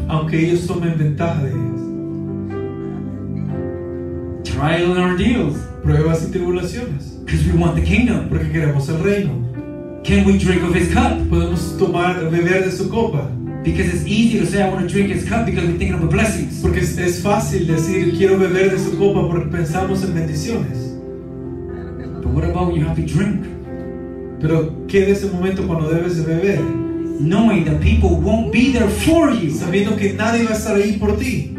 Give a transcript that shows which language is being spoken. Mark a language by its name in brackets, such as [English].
[Spanish] Aunque ellos tomen ventaja de ellas. [English] Trial and ordeals. [Spanish] Pruebas y tribulaciones. [English] Because we want the kingdom. [Spanish] Porque queremos el reino. [English] Can we drink of his cup? [Spanish] Podemos tomar, beber de su copa. [English] Because it's easy to say I want to drink his cup because we're thinking of the blessings. [Spanish] Porque es fácil decir quiero beber de su copa porque pensamos en bendiciones. [English] But what about when you have to drink? [Spanish] Pero ¿qué de ese momento cuando debes de beber? [English] Knowing that people won't be there for you. [Spanish] Sabiendo que nadie va a estar ahí por ti.